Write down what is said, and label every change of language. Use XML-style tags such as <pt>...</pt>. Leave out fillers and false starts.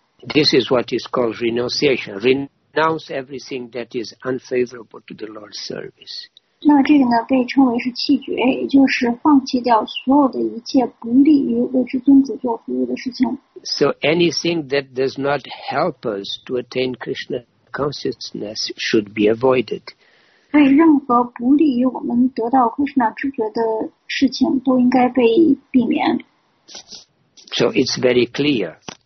<en>This is what is called renunciation. Renounce everything that is unfavorable to the Lord's service.</en> <zh>那这个呢被称为是弃绝，也就是放弃掉所有的一切不利于为至尊主做服务的事情。</zh> <en>So anything that does not help us to attain Krishna consciousness should be avoided.</en> <zh>所以任何不利于我们得到 Krishna 知觉的事情都应该被避免。</zh> <en>So it's very clear.</en>